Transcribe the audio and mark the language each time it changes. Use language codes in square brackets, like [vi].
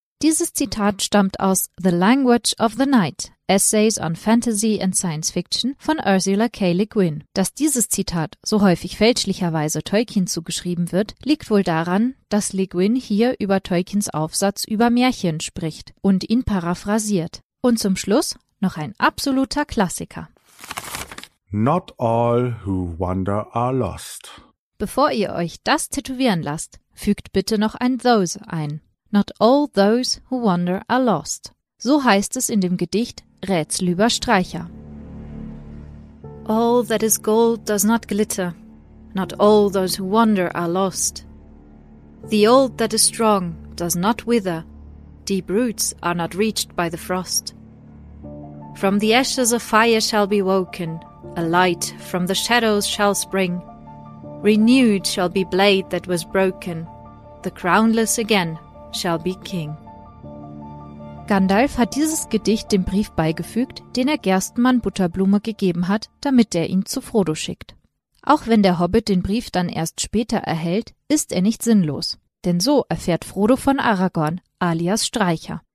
[de] Dieses Zitat stammt aus The Language of the Night, Essays on Fantasy and Science Fiction von Ursula K. Le Guin. Dass dieses Zitat so häufig fälschlicherweise Tolkien zugeschrieben wird, liegt wohl daran, dass Le Guin hier über Tolkiens Aufsatz über Märchen spricht und ihn paraphrasiert. Und zum Schluss noch ein absoluter Klassiker. [en] Not all who wander are lost. [de] Bevor ihr euch das tätowieren lasst, fügt bitte noch ein those ein. [en] Not all those who wander are lost. [de] So heißt es in dem Gedicht Rätsel über Streicher. [en] All that is gold does not glitter. Not all those who wander are lost. The old that is strong does not wither. Deep roots are not reached by the frost. From the ashes a fire shall be woken. A light from the shadows shall spring. Renewed shall be blade that was broken. The crownless again shall be king. [de] Gandalf hat dieses Gedicht dem Brief beigefügt, den er Gerstenmann Butterblume gegeben hat, damit er ihn zu Frodo schickt. Auch wenn der Hobbit den Brief dann erst später erhält, ist er nicht sinnlos. Denn so erfährt Frodo von Aragorn, alias Streicher.